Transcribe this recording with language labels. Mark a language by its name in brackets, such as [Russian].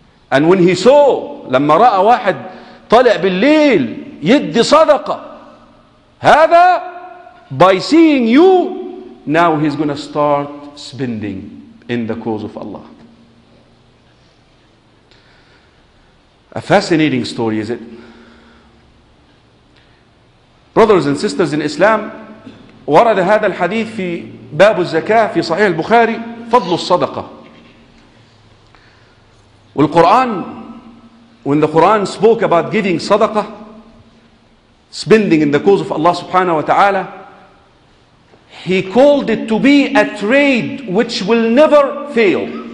[English] And when he saw, [Arabic] لما رأى واحد طلع بالليل يدي صدقة, هذا, [English] by seeing you, now he's gonna start spending in the cause of Allah. A fascinating story, is it? Brothers and sisters in Islam, [Arabic] ورد هذا الحديث في باب الزكاة في صحيح البخاري, فضل الصدقة. [English] والقرآن, when the Quran spoke about giving صدقة, spending in the cause of Allah subhanahu wa ta'ala, he called it to be a trade which will never fail.